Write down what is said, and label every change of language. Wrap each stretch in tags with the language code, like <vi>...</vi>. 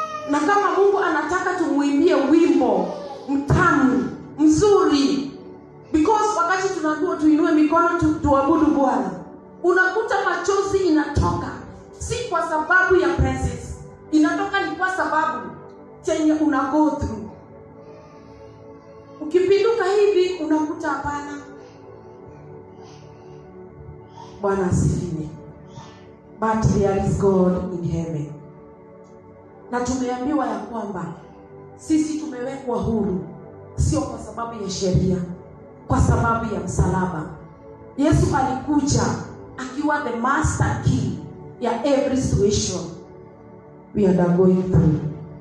<sw>Na kama Mungu anataka tumuimbie wimbo mtamu, mzuri, because wakati tunakuwa tuinue mikono tuabudu Bwana, unakuta machozi inatoka, si kwa sababu ya presence, inatoka ni kwa sababu chenye unagothu. Ukipinduka hivi unakuta hapana. Bwana asifiwe.</sw> <en>But there is God in heaven.</en> <sw>Na tumeambiwa ya kwamba sisi tumewekwa huru, sio kwa sababu ya sheria, kwa sababu ya msalaba. Yesu alikuja akiwa</sw> <en>the master key</en> <sw>ya</sw> <en>every situation we are going through.</en>